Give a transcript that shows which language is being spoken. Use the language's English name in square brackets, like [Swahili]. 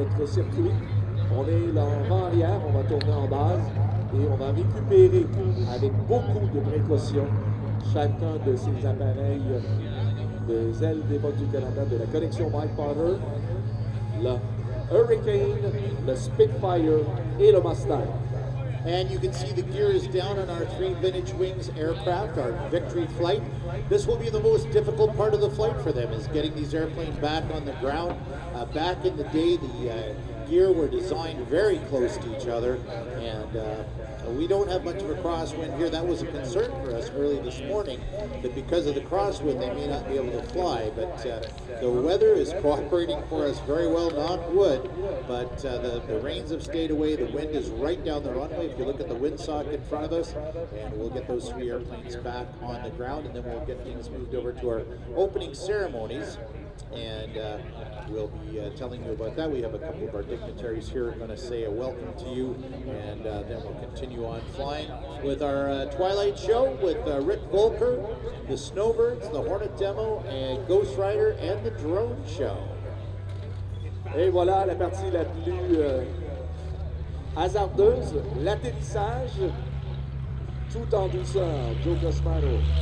[French] Circuit. On est là en vent arrière, on va tourner en base et on va récupérer avec beaucoup de précaution chacun de ces appareils des ailes des vols du Canada de la collection Mike Potter, le Hurricane, le Spitfire et le Mustang. [English] And you can see the gear is down on our three vintage wings aircraft, our Victory flight. This will be the most difficult part of the flight for them, is getting these airplanes back on the ground. Back in the day, the gear were designed very close to each other, and we don't have much of a crosswind here. That was a concern for us early this morning, that because of the crosswind, they may not be able to fly, but the weather is cooperating for us very well, knock wood, but the rains have stayed away. The wind is right down the runway. If you look at the windsock in front of us, and we'll get those three airplanes back on the ground, and then we'll get things moved over to our opening ceremonies, and we'll be telling you about that. We have a couple of our dignitaries here going to say a welcome to you, and then we'll continue on flying with our Twilight Show with Rick Volker, the Snowbirds, the Hornet Demo, and Ghost Rider, and the Drone Show. [French] Et voilà la partie la plus hasardeuse, l'atterrissage, tout en douceur, Joe Cosmaro.